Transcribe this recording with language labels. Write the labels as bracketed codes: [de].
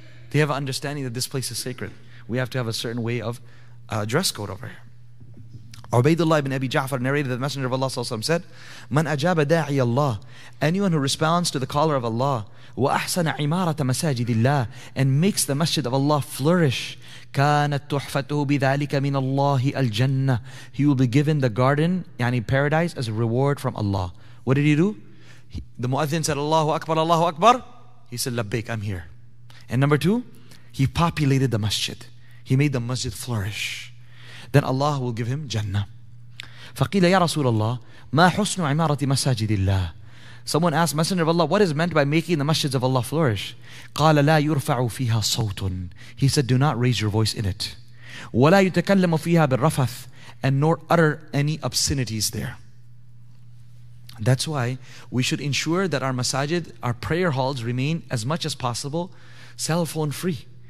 [en] They have an understanding that this place is sacred. We have to have a certain way of dress code over here. Ubaydullah ibn Abi Ja'far narrated that the Messenger of Allah sallallahu alayhi wa sallam said, "Man ajaba da'i Allah, anyone who responds to the caller of Allah, wa ahsana imarata masajidillah, and makes the masjid of Allah flourish, [ar] كانت تحفته بذلك من الله الجنة. [en] He will be given the garden, يعني paradise, as a reward from Allah. What did he do? The muadhin said, Allahu Akbar, Allahu Akbar. He said, Labbaik, I'm here. And number two, he populated the masjid. He made the masjid flourish. Then Allah will give him Jannah. [ar] فقيل يا رسول الله ما حسن عمارة مساجد الله. [en] Someone asked, Messenger of Allah, what is meant by making the masjids of Allah flourish? [ar] قال لا يرفع فيها صوت. [en] He said, do not raise your voice in it. ولا يتكلم فيها بالرفث. And nor utter any obscenities there. That's why we should ensure that our masajid, our prayer halls, remain as much as possible cell phone free.